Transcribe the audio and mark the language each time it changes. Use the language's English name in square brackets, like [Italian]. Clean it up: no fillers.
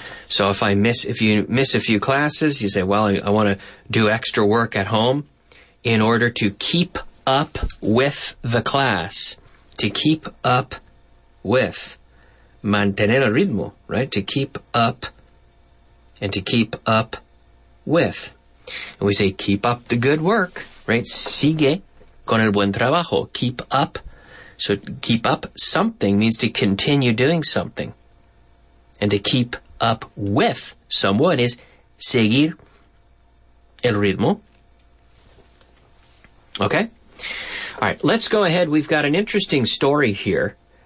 [English] So if you miss a few classes, you say, well, I want to do extra work at home in order to keep up with the class, to keep up with, [Spanish] mantener el ritmo, [English] right? To keep up and to keep up with. And we say, keep up the good work, right? [Spanish] Sigue con el buen trabajo. [English] Keep up. So keep up something means to continue doing something. And to keep up with someone is [Spanish] seguir el ritmo. [English] Okay? All right, let's go ahead. We've got an interesting story here.